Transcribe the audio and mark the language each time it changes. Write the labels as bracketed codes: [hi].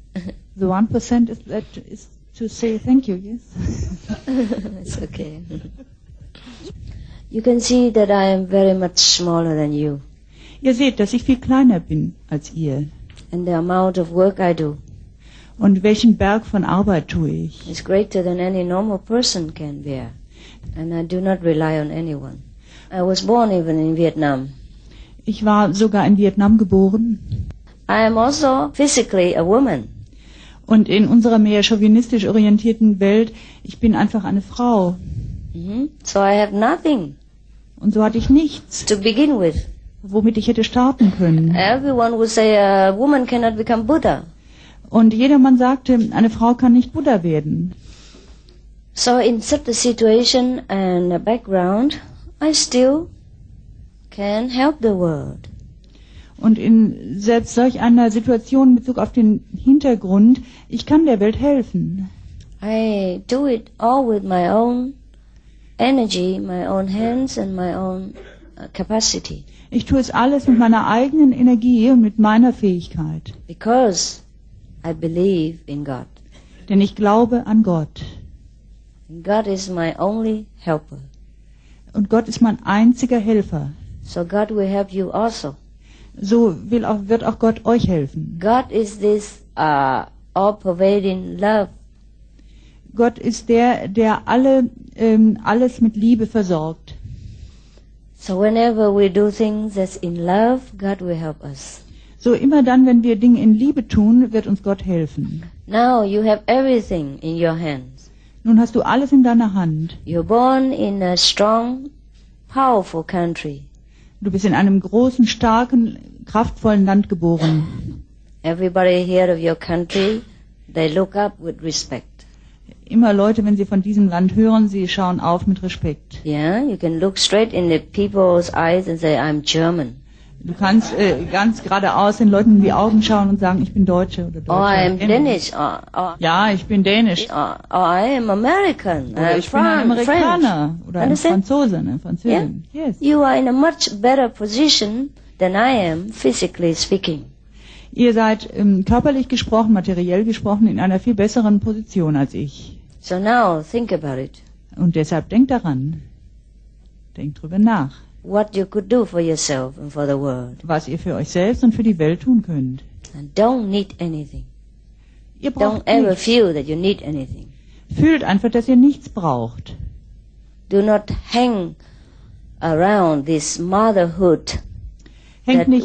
[en] The 1% is that is to say thank you, yes. It's okay. You can see that I am very much smaller than you. [de] Ihr seht, dass ich viel kleiner bin als ihr. [en] And the amount of work I do. [de] Und welchen Berg von Arbeit tue ich? [en] It's greater than any normal person can bear. And I do not rely on anyone. I was born even in Vietnam. [de] Ich war sogar in Vietnam geboren. [en] I am also physically a woman. [de] Und in unserer mehr chauvinistisch orientierten Welt, ich bin einfach eine Frau. [en] Mm-hmm. So I have nothing. [de] Und so hatte ich nichts. [en] To begin with. [de] womit ich hätte starten können. [en] Everyone would say a woman cannot become Buddha. [de] Und jedermann sagte, eine Frau kann nicht Buddha werden. [en] So in such a situation and a background, I still can help the world. [de] Und in selbst solch einer Situation in Bezug auf den Hintergrund, ich kann der Welt helfen. [en] I do it all with my own energy, my own hands and my own capacity. [de] Ich tue es alles mit meiner eigenen Energie und mit meiner Fähigkeit. [en] Because I believe in God. [de] Denn ich glaube an Gott. [en] God is my only helper. [de] Und Gott ist mein einziger Helfer. [en] So God will help you also. [de] So will auch, wird auch Gott euch helfen. [en] God is this all-pervading love. [de] Gott ist der, der alle alles mit Liebe versorgt. [en] So whenever we do things that's in love, God will help us. [de] So immer dann, wenn wir Dinge in Liebe tun, wird uns Gott helfen. [en] Now you have everything in your hands. [de] Nun hast du alles in deiner Hand. [en] You're born in a strong, powerful country. [de] Du bist in einem großen, starken, kraftvollen Land geboren. [en] Everybody here of your country, they look up with respect. [de] Immer Leute, wenn sie von diesem Land hören, sie schauen auf mit Respekt. [en] Yeah, you can look straight in the people's eyes and say, I'm German. [de] Du kannst ganz geradeaus den Leuten in die Augen schauen und sagen, ich bin Deutsche oder Deutsche. [en] Oh, I am Danish. [de] Ja, ich bin Dänisch. [en] Oh, I am American. [de] Oder ich bin ein Amerikaner oder ein Franzose, eine Französin. [en] Yeah. Yes. You are in a much better position than I am, physically speaking. [de] Ihr seid körperlich gesprochen, materiell gesprochen, in einer viel besseren Position als ich. [en] So now think about it. [de] Und deshalb denkt daran. Denkt drüber nach. [en] What you could do for yourself and for the world. [de] Was ihr für euch selbst und für die Welt tun könnt. [en] And don't need anything. [de] Ihr braucht [en] don't [de] nichts. [en] Ever feel that you need anything. [de] Fühlt einfach, dass ihr nichts braucht. [en] Do not hang around this motherhood. [de] Hängt that nicht